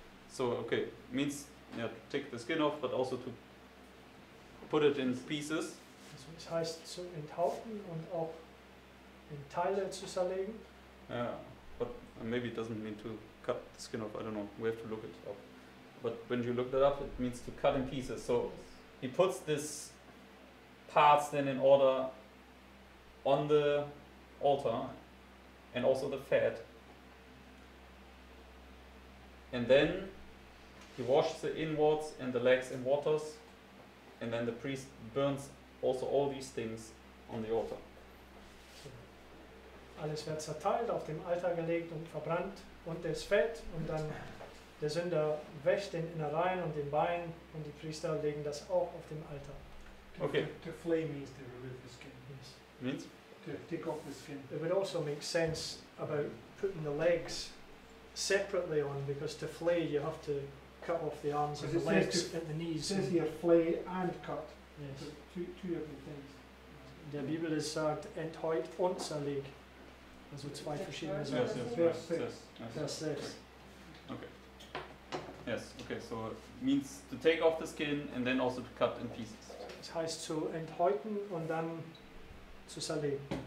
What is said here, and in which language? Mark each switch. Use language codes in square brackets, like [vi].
[en] So okay means yeah, to take the skin off, but also to put it in pieces. [de] Also, es heißt zu enthaupten und auch in Teile zu zerlegen. [en] Yeah, but maybe it doesn't mean to cut the skin off. I don't know. We have to look it up. But when you look that up, it means to cut in pieces. So he puts these parts then in order. On the altar, and also the fat, and then he washes the inwards and the legs in waters, and then the priest burns also all these things on the altar. [de] Alles wird zerteilt, auf dem Altar gelegt und verbrannt, und das Fett, und dann der Sünder wäscht den Innereien und den Beinen, und die Priester legen das auch auf dem Altar. [en] Okay. To flay means to remove the skin. Yes. Means? To take off the skin. It would also make sense about putting the legs separately on, because to flay you have to cut off the arms and the legs and the knees. It says here flay and cut. Yes. So two different things. [de] The Bibel is sagt enthäut und zerleg. Also zwei verschiedene. [en] Yes, yes, [de] Vers 6. [en] Okay. Yes, okay, so it means to take off the skin and then also to cut in pieces. [de] It heißt zu enthäuten und dann zu zerlegen.